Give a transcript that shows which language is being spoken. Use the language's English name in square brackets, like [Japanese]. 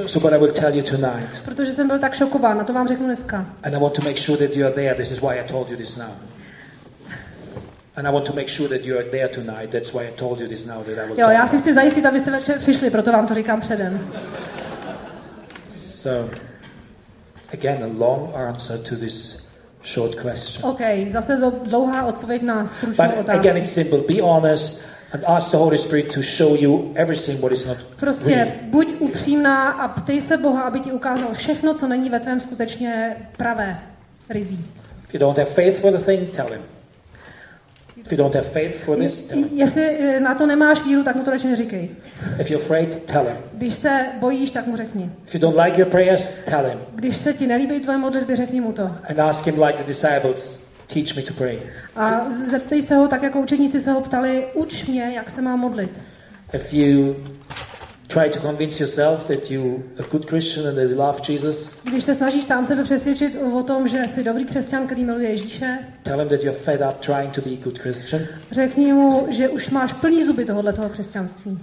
[English] So what I will tell you tonight. [Czech] Protože jsem byl tak šokován, a to vám řeknu dneska. [English] And I want to make sure that you are there. This is why I told you this now. And I want to make sure that you are there tonight. That's why I told you this now that I will. [Czech] Jo, já si chci zajistit, abyste večer přišli, proto vám to říkám předem. [English] So, again, a long answer to this short question. [Czech] Okay, zase dlouhá odpověď na stručnou otázku. [English] But again, it's simple. Be honest and ask the Holy Spirit to show you everything what is not. [Czech] Prostě buď upřímná a ptej se Boha, aby ti ukázal všechno, co není ve tvém skutečně pravé, ryzí. [English] If you don't have faith for the thing, tell him. If you don't have faith for this, [Czech] jestli na to nemáš víru, tak mu to radši neříkej. [English] If you're afraid, tell him. [Czech] Když se bojíš, tak mu řekni. [English] If you don't like your prayers, tell him. [Czech] Když se ti nelíbí tvoje modlitby, řekni mu to. [English] And ask him like the disciples, teach me to pray. [Czech] A zeptej se ho tak, jako učeníci se ho ptali, uč mě, jak se má modlit. [English] If you try to convince yourself that you a good Christian and that you love Jesus. [Czech] Když se snažíš sám sebe přesvědčit o tom, že jsi dobrý křesťan, který miluje Ježíše. [English] Tell him that you're fed up trying to be a good Christian. [Czech] Řekni mu, že už máš plný zuby tohohle toho křesťanství.